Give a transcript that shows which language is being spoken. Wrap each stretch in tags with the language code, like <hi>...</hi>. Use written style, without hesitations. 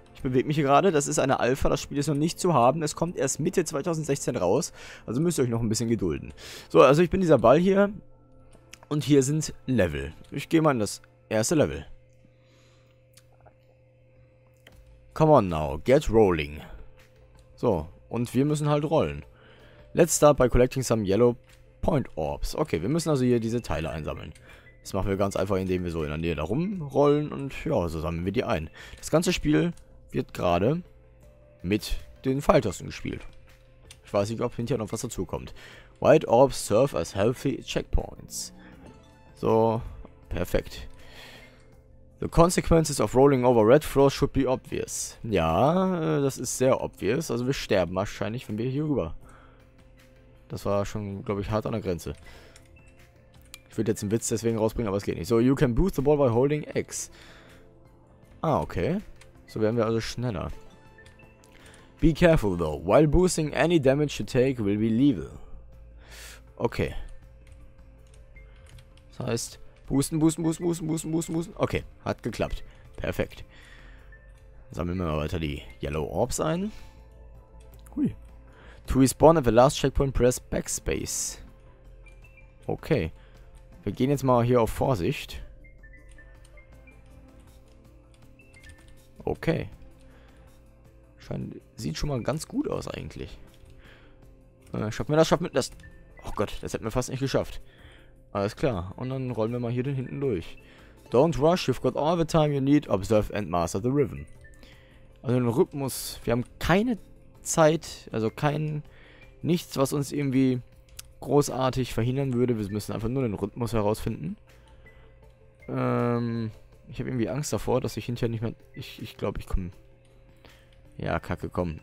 <de>Ich bewege mich hier gerade, das ist eine Alpha, das Spiel ist noch nicht zu haben. Es kommt erst Mitte 2016 raus, also müsst ihr euch noch ein bisschen gedulden. So, also ich bin dieser Ball hier und hier sind Level. Ich gehe mal in das erste Level.</de> <en>Come on now, get rolling.</en> <de>So, und wir müssen halt rollen.</de> <en>Let's start by collecting some yellow point orbs.</en> <de>Okay, wir müssen also hier diese Teile einsammeln. Das machen wir ganz einfach, indem wir so in der Nähe da rumrollen und ja, so sammeln wir die ein. Das ganze Spiel wird gerade mit den Pfeiltasten gespielt. Ich weiß nicht, ob hinterher noch was dazukommt.</de> <en>White orbs serve as healthy checkpoints.</en> <de>So, perfekt.</de> <en>The consequences of rolling over red floors should be obvious.</en> <de>Ja, das ist sehr obvious. Also wir sterben wahrscheinlich, wenn wir hier rüber. Das war schon, glaube ich, hart an der Grenze. Ich würde jetzt einen Witz deswegen rausbringen, aber es geht nicht.</de> <en>So, you can boost the ball by holding X.</en> <de>Ah, okay. So werden wir also schneller.</de> <en>Be careful though. While boosting, any damage you take will be lethal. Okay.</en> <de>Das heißt... Boosten, boosten, boosten, boosten, boosten, boosten, boosten. Okay, hat geklappt. Perfekt. Sammeln wir mal weiter die Yellow Orbs ein. Hui.</de> <en>To respawn at the last checkpoint, press Backspace. Okay.</en> <de>Wir gehen jetzt mal hier auf Vorsicht. Okay. Sieht schon mal ganz gut aus eigentlich. Schaffen wir das, schaffen wir das. Oh Gott, das hätten wir fast nicht geschafft. Alles klar. Und dann rollen wir mal hier den hinten durch.</de> <en>Don't rush, you've got all the time you need. Observe and master the rhythm.</en> <de>Also den Rhythmus. Wir haben keine Zeit, also kein... Nichts, was uns irgendwie großartig verhindern würde. Wir müssen einfach nur den Rhythmus herausfinden. Ich habe irgendwie Angst davor, dass ich hinterher nicht mehr... Ich glaube, ich komme... Ja, kacke, komm.</de>